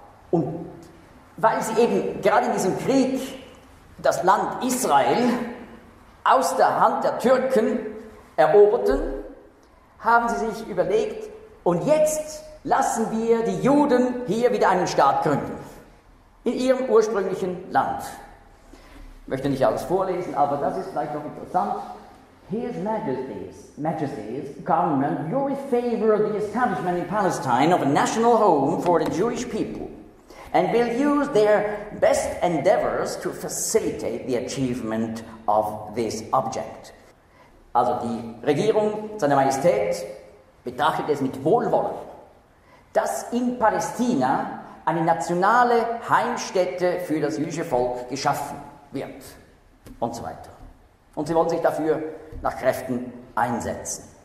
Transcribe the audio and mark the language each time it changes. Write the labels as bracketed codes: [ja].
[de] Und weil sie eben gerade in diesem Krieg das Land Israel aus der Hand der Türken eroberten, haben sie sich überlegt, und jetzt lassen wir die Juden hier wieder einen Staat gründen. In ihrem ursprünglichen Land. Ich möchte nicht alles vorlesen, aber das ist vielleicht noch interessant. [en] His Majesty's government will favor the establishment in Palestine of a national home for the Jewish people. And will use their best endeavors to facilitate the achievement of this object. [de] Also die Regierung, seine Majestät, betrachtet es mit Wohlwollen, dass in Palästina eine nationale Heimstätte für das jüdische Volk geschaffen wird. Und so weiter. Und sie wollen sich dafür nach Kräften einsetzen.